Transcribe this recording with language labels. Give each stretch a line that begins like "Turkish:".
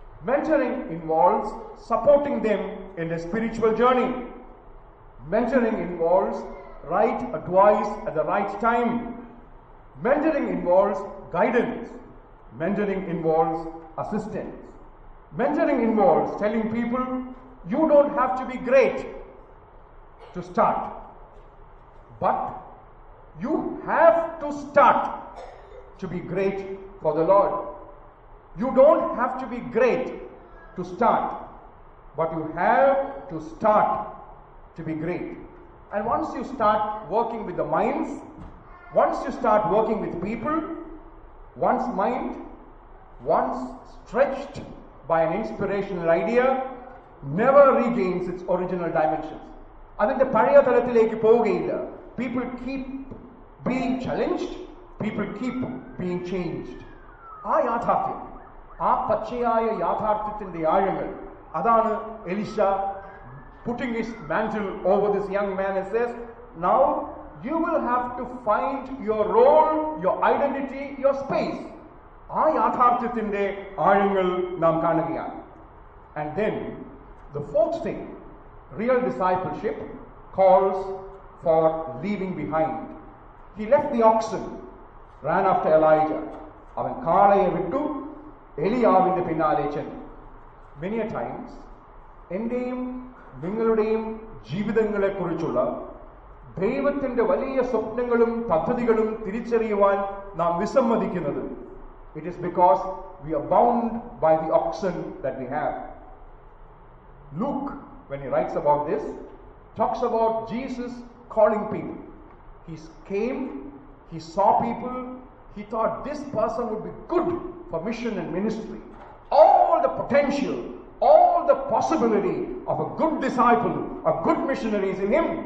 English: Mentoring involves supporting them in the spiritual journey. Mentoring involves right advice at the right time. Mentoring involves guidance. Mentoring involves assistance. Mentoring involves telling people, you don't have to be great to start, but you have to start to be great for the Lord. You don't have to be great to start, but you have to start to be great. And once you start working with the minds, once you start working with people, one's mind, once stretched by an inspirational idea, never regains its original dimensions.
Malayalam: അതിന്റെ പഴയ തലത്തിലേക്ക് പോവുകയില്ല.
English: People keep being challenged, people keep being changed.
Malayalam: ആ യാഥാർത്ഥ്യം, ആ പച്ചയായ യാഥാർത്ഥ്യത്തിന്റെ ആഴങ്ങൾ, അതാണ് Elisha
English: putting his mantle over this young man and says, now you will have to find your role, your identity, your space.
Malayalam: ആ യാഥാർത്ഥ്യത്തിന്റെ ആഴങ്ങൾ നാം കാണുകയാണ്.
English: And then the fourth thing, real discipleship calls for leaving behind. He left the oxen, ran after Elijah.
Malayalam: അവൻ കാളയെ വിട്ടു എലിയാവിന്റെ പിന്നാലെ ചെന്നു.
English: Many a times
Malayalam: എന്റെയും നിങ്ങളുടെയും ജീവിതങ്ങളെ കുറിച്ചുള്ള ദൈവത്തിന്റെ വലിയ സ്വപ്നങ്ങളും പദ്ധതികളും തിരിച്ചറിയുവാൻ നാം വിസമ്മതിക്കുന്നത്,
English: it is because we are bound by the oxen that we have. Luke, when he writes about this, talks about Jesus calling people. He came, he saw people, he thought this person would be good for mission and ministry. All the potential, all the possibility of a good disciple, a good missionary is in him.